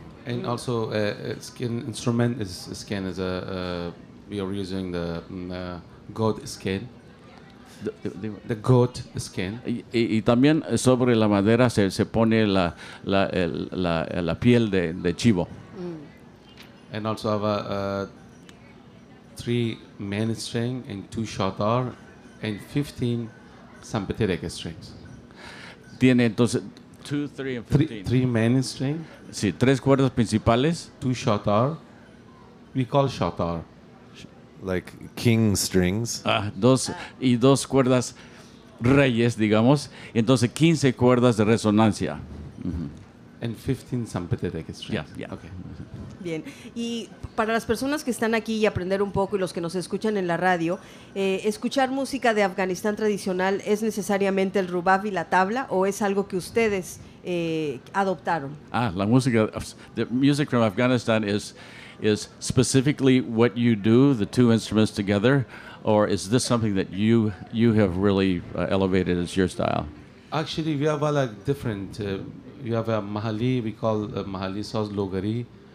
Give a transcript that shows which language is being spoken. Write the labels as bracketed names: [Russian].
[English] And also skin instrument is skin is a we are using the goat skin. The goat skin. [Spanish] Y también sobre la madera se pone la piel de chivo. Mm. [English] And also have a three main string and two shatar and 15 sympathetic strings. [Spanish] Tiene entonces 2, 3 [English] and 15. Three main string. [Spanish] Sí, tres cuerdas principales. [English] Two shatar. We call shatar. Like king strings. [Spanish] Y dos cuerdas reyes, digamos. Entonces 15 cuerdas de resonancia. [English] And 15 sympathetic strings. Yeah, yeah. Okay. [Spanish] Bien, y para las personas que están aquí y aprender un poco y los que nos escuchan en la radio, ¿escuchar música de Afganistán tradicional es necesariamente el rubab y la tabla o es algo que ustedes adoptaron? Ah, la música, [English] the music from Afghanistan is specifically what you do, the two instruments together, or is this something that you have really elevated as your style? Actually, we have a like different, we have a mahali, we call mahali saz logari.